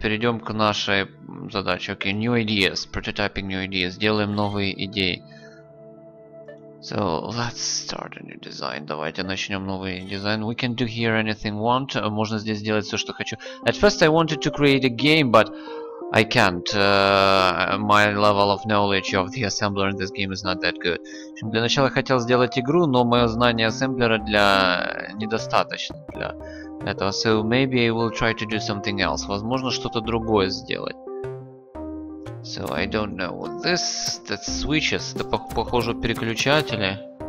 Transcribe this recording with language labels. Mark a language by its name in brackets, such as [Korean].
[Russian] Перейдем к нашей задаче. [English] Okay, new ideas. Prototyping new ideas. [Russian] Делаем новые идеи. [English] So, let's start a new design. [Russian] Давайте начнем новый дизайн. [English] We can do here anything want. [Russian] Можно здесь сделать все, что хочу. [English] At first I wanted to create a game, but I can't. My level of knowledge of the assembler in this game is not that good. [Russian] Для начала хотел сделать игру, но мое знание ассемблера для недостаточно для этого. [English] So maybe I will try to do something else. [Russian] Возможно, что-то другое сделать. [English] So I don't know what this. That switches. [Russian] Это похоже переключатели.